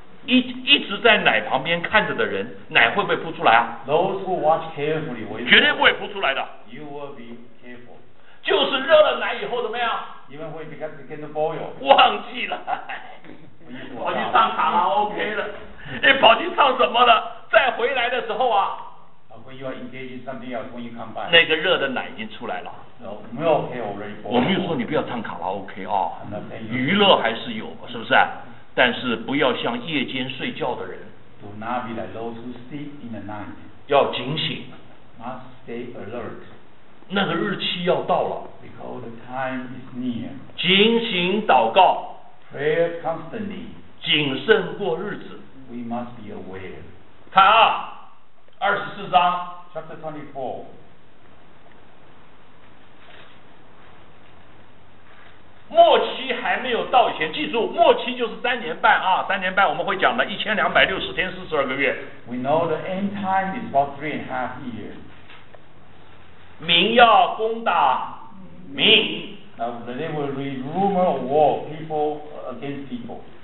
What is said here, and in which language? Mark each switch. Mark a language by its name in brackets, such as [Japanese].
[Chinese] 一直在奶旁边看着的人，奶会不会扑出来啊 [English] ？Those who watch carefully will. [Chinese] 绝对不会扑出来的。 [English] You will be careful. [Chinese] 就是热了奶以后怎么样 [English] ？Even when it begins to boil. [Chinese] 忘记了。跑去上卡拉 OK 了，你跑去唱什么了？再回来的时候啊 [English] ，When you are engaging something else, when you come back, [Chinese] 那个热的奶已经出来了。 [English] No, milk already boiled. [Chinese] 我没有说你不要唱卡拉 OK 啊，娱乐还是有，是不是？但是不要像夜间睡觉的人。 [English] Do not be like those who sleep in the night. [Chinese] 要警醒。 [English] Must stay alert. [Chinese] 那个日期要到了。 [English] Because the time is near. [Chinese] 警醒祷告。 [English] Prayer constantly. [Chinese] 谨慎过日子。 [English] We must be aware. [Chinese] 看啊，二十四章 [English] ，Chapter 24。 [Chinese] 末期还没有到前，记住，末期就是三年半啊，三年半我们会讲的，1260天，42个月。 [English] We know the end time is about 3.5 years。 [Chinese] 民要攻打民。 [English] They will read rumor of war, people against people。